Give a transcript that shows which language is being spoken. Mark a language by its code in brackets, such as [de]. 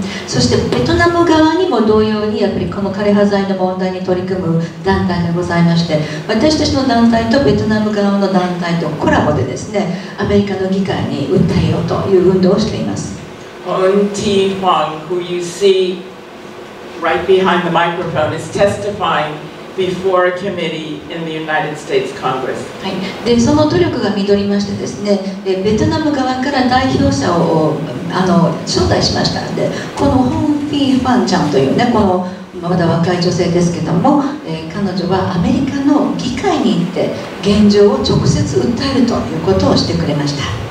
[ja] そしてベトナム側にも同様にやっぱりこの枯葉剤の問題に取り組む団体がございまして、私たちの団体とベトナム側の団体とコラボでですね、アメリカの議会に訴えようという運動をしています。 [en] ホン・ティ・ファン、who you see right behind the microphone, is testifying before a committee in the United States Congress. [ja] はい、で、その努力が実りましてですね、ベトナム側から代表者を招待しましたので、このホン・フィー・ファンちゃんというね、このまだ若い女性ですけども、彼女はアメリカの議会に行って現状を直接訴えるということをしてくれました。